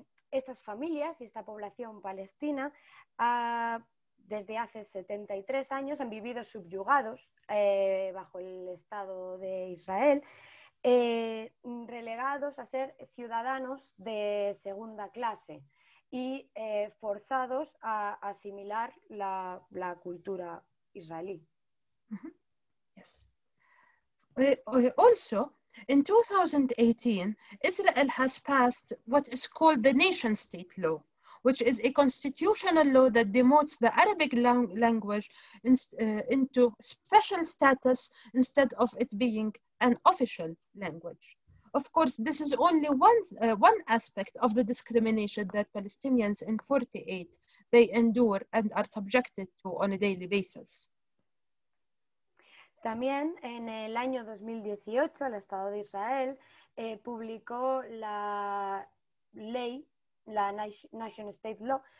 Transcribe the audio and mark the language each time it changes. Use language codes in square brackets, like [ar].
[es] Estas familias y esta población palestina desde hace 73 años han vivido subyugados bajo el Estado de Israel, relegados a ser ciudadanos de segunda clase y forzados a asimilar la cultura israelí. [en] Mm-hmm. Yes. Also, in 2018, Israel has passed what is called the Nation State Law, which is a constitutional law that demotes the Arabic language into special status instead of it being an official language. Of course, this is only one aspect of the discrimination that Palestinians in 48 they endure and are subjected to on a daily basis. [es] También en el año 2018 el Estado de Israel publicó la ley, la Nation State Law.